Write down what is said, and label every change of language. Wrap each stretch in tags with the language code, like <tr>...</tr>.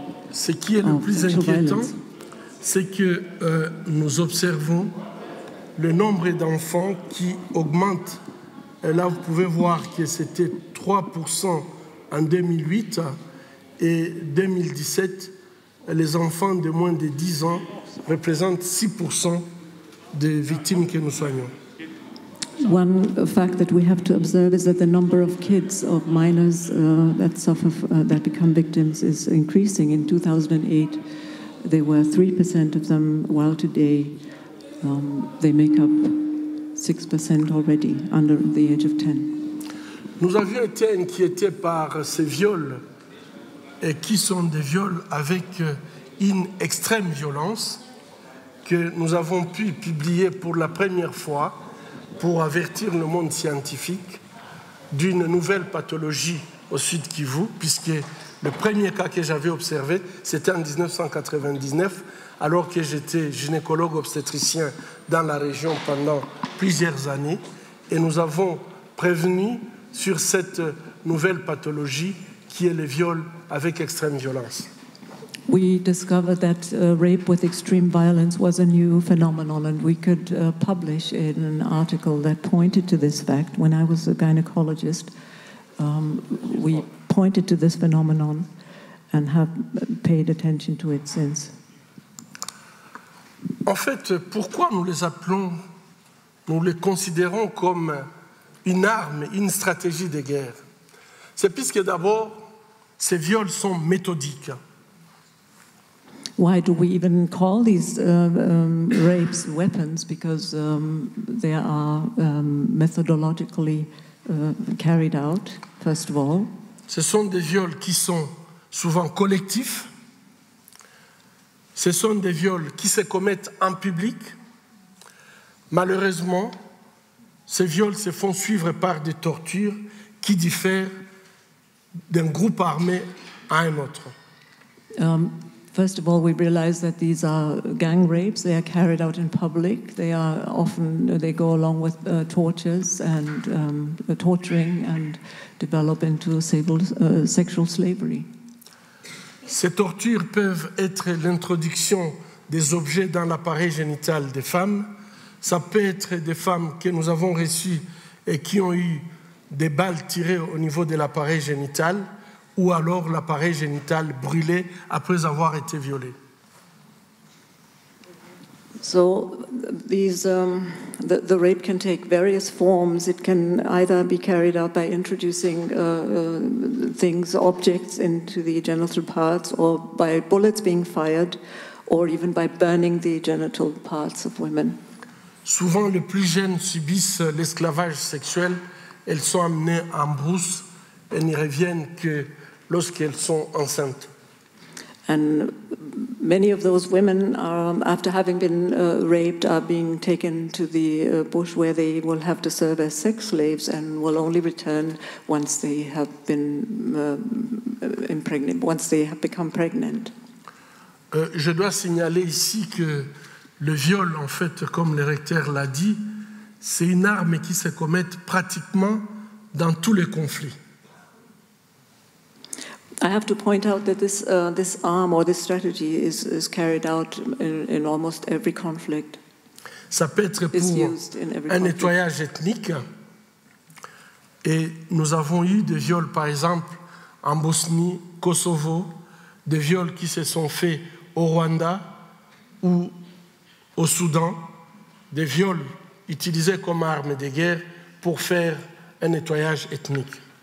<fr>Ce qui est le plus inquiétant, c'est que nous observons le nombre d'enfants qui augmente. Et là, vous pouvez voir que c'était 3% en 2008 et 2017, les enfants de moins de 10 ans représentent 6% des victimes que nous soignons.</fr> <en>One fact that we have to observe is that the number of kids, of minors that suffer, that become victims, is increasing. In 2008, there were 3% of them, while today they make up 6% already under the age of 10.</en> <fr>Nous avions été inquiétés par ces viols, et qui sont des viols avec une extrême violence, que nous avons pu publier pour la première fois pour avertir le monde scientifique d'une nouvelle pathologie au Sud Kivu, puisque le premier cas que j'avais observé, c'était en 1999, alors que j'étais gynécologue obstétricien dans la région pendant plusieurs années, et nous avons prévenu sur cette nouvelle pathologie qui est le viol avec extrême violence.</fr> <en>We discovered that rape with extreme violence was a new phenomenon, and we could publish in an article that pointed to this fact. When I was a gynecologist, we pointed to this phenomenon and have paid attention to it since.</en> <fr>En fait, pourquoi nous les appelons, nous les considérons comme une arme, une stratégie de guerre? C'est puisque d'abord, ces viols sont méthodiques.</fr> <en>Why do we even call these rapes weapons? Because they are methodologically carried out, first of all.</en> <fr>Ce sont des viols qui sont souvent collectifs. Ce sont des viols qui se commettent en public. Malheureusement, ces viols se font suivre par des tortures qui diffèrent d'un groupe armé à un autre.</fr> <en>First of all, we realize that these are gang rapes. They are carried out in public. They are often, they go along with tortures and torturing and develop into sexual slavery.</en> <fr>Ces tortures peuvent être l'introduction des objets dans l'appareil génital des femmes. Ça peut être des femmes que nous avons reçues et qui ont eu des balles tirées au niveau de l'appareil génital, ou alors l'appareil génital brûlé après avoir été violé.</fr> <en>So these the rape can take various forms. It can either be carried out by introducing things, objects into the genital parts, or by bullets being fired, or even by burning the genital parts of women.</en> <fr>Souvent, les plus jeunes subissent l'esclavage sexuel. Elles sont amenées en brousse et n'y reviennent que lorsqu'elles sont enceintes.</fr> <en>And many of those women are, after having been raped, are being taken to the bush where they will have to serve as sex slaves and will only return once they have been impregnated, once they have become pregnant.</en> <fr>Je dois signaler ici que le viol, en fait, comme le recteur l'a dit, c'est une arme qui se commet pratiquement dans tous les conflits.</fr> <en>I have to point out that this this arm or this strategy is carried out in almost every conflict.</en> <fr>Ça peut être pour un nettoyage ethnique. Et nous avons eu des viols, par exemple, en Bosnie, Kosovo, des viols qui se sont faits au Rwanda ou au Soudan, des viols utilisés comme arme de guerre pour faire un nettoyage ethnique.</fr>